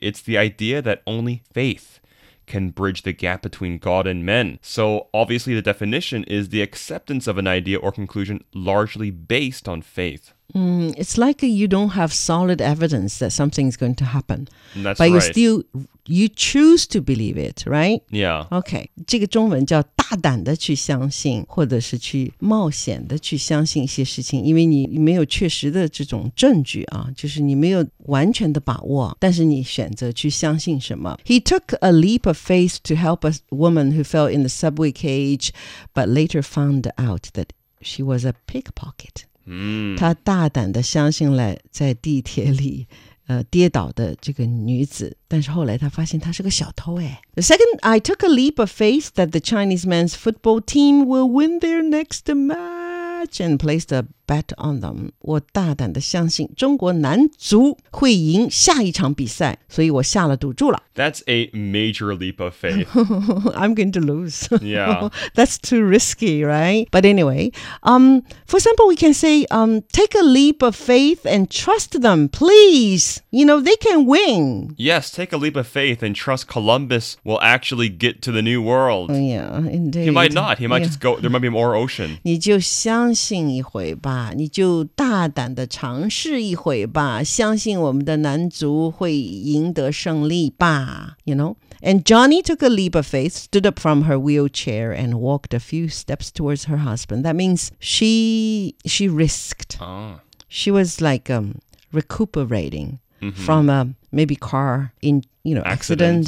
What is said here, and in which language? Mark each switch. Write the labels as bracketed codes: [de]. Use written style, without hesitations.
[en] It's the idea that only faith can bridge the gap between God and men. So obviously the definition is the acceptance of an idea or conclusion largely based on faith. It's like you don't have solid evidence that something's going to happen. That's but right. But you choose to believe it, right? Yeah. Okay. [zh] 这个中文叫大胆的去相信或者是去冒险的去相信一些事情因为你没有确实的这种证据啊，就是你没有完全的把握但是你选择去相信什么。 [en] He took a leap of faith to help a woman who fell in the subway cage, but later found out that she was a pickpocket. [zh] 他大胆地相信了在地铁里跌倒的这个女子但是后来他发现她是个小偷哎。 [en] The second, I took a leap of faith that the Chinese men's football team will win their next match and placed a bet on them. [zh] 我大胆地相信中国男足会赢下一场比赛所以我下了赌注了。 [en] That's a major leap of faith. I'm going to lose. Yeah. That's too risky, right? But anyway, for example, we can say, take a leap of faith and trust them, please. You know, they can win. Yes, take a leap of faith and trust Columbus will actually get to the new world. Yeah, indeed. He might not. He might just go, there might be more ocean. [zh] 你就相信一回吧。你就大胆地尝试一回吧。相信我们的男足会赢得胜利吧。 [en] You know, and Johnny took a leap of faith, stood up from her wheelchair, and walked a few steps towards her husband. That means she risked. She was like recuperating from a maybe car in you know accident.